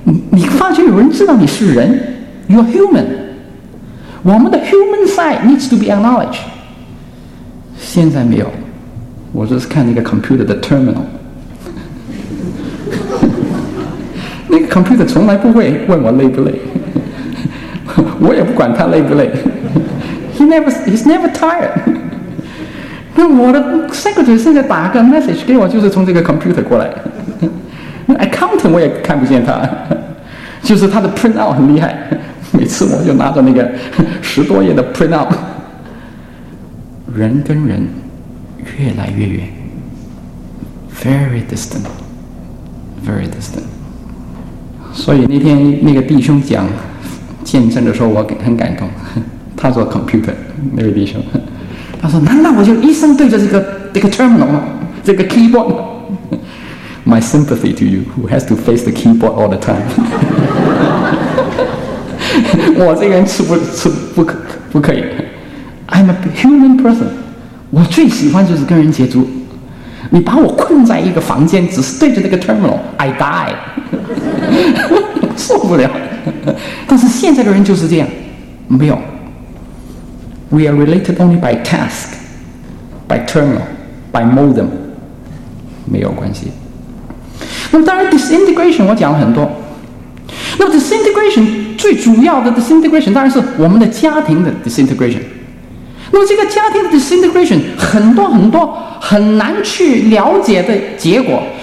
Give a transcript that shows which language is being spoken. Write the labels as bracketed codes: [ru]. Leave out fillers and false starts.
[zh] 你发觉有人知道你是人， [en] You are human, [zh] 我们的 [en] human side needs to be acknowledged。 [zh] 现在没有，我就是看那个 computer 的 terminal。那个 computer 从来不会问我累不累。我也不管他累不累。 [en] He's never tired。 [zh] 那我的 secretary 现在打个 message 给我，就是从这个 computer 过来。那 accountant 我也看不见他，就是他的 printout 很厉害，每次我就拿着那个十多页的 printout。人跟人越来越远， [en] very distant, very distant。 [zh] 所以那天那个弟兄讲见证的时候我很感动，他做 computer 那位弟兄，他说难道我就一生对着这个 terminal 吗，这个 keyboard 吗？ [en] my sympathy to you who has to face the keyboard all the time. [zh] 我这个人不可以。 [en] I'm a human person. [zh] 我最喜欢就是跟人接触。你把我困在一个房间，只是对着那个 terminal, [en] I die. [zh] 受不了。但是现在的人就是这样，没有。 [en] We are related only by task, by terminal, by modem. [zh] 没有关系。那当然 disintegration 我讲了很多。那 disintegration 最主要的 disintegration 当然是我们的家庭的 disintegration。那这个家庭的 disintegration 很多很多很难去了解的结果。